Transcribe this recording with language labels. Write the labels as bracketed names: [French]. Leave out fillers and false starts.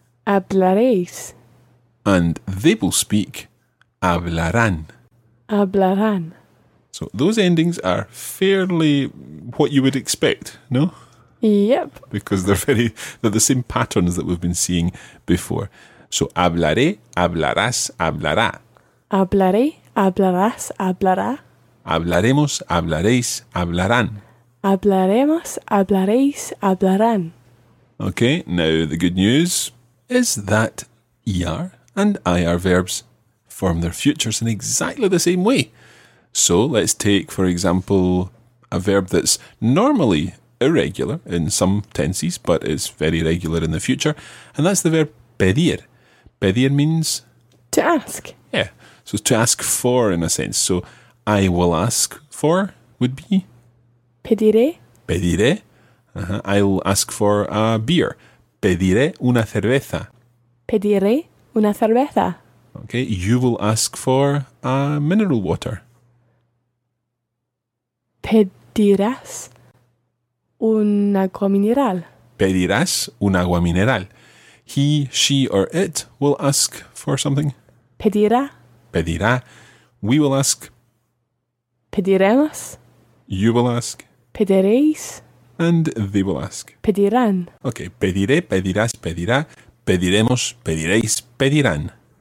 [Spanish] Hablaréis. [English] And they will speak, hablarán. [Spanish] Hablarán. [English] So those endings are fairly what you would expect, no? Yep. Because they're the same patterns that we've been seeing before. [Spanish] So hablaré, hablarás, hablará. Hablaré, hablarás, hablará. Hablaremos, hablaréis, hablarán. Hablaremos, hablaréis, hablarán. [English] Okay, now the good news is that ER and IR verbs form their futures in exactly the same way. So let's take, for example, a verb that's normally irregular in some tenses, but it's very regular in the future. And that's the verb pedir. Pedir means... to ask. Yeah. So to ask for, in a sense. So I will ask for would be... [Spanish] pediré. [English] Pediré. I'll ask for a beer. [Spanish] Pediré una cerveza. Pediré una cerveza. [English] Okay. You will ask for a mineral water. [Spanish] Pedirás un agua mineral. Pedirás un agua mineral. [English] He, she, or it will ask for something. [Spanish] Pedirá. [English] Pedirá. We will ask. [Spanish] Pediremos. [English] You will ask. [Spanish] Pediréis. [English] And they will ask. [Spanish] Pedirán. Okay. Pediré, pedirás, pedirá. Pediremos, pediréis, pedirán.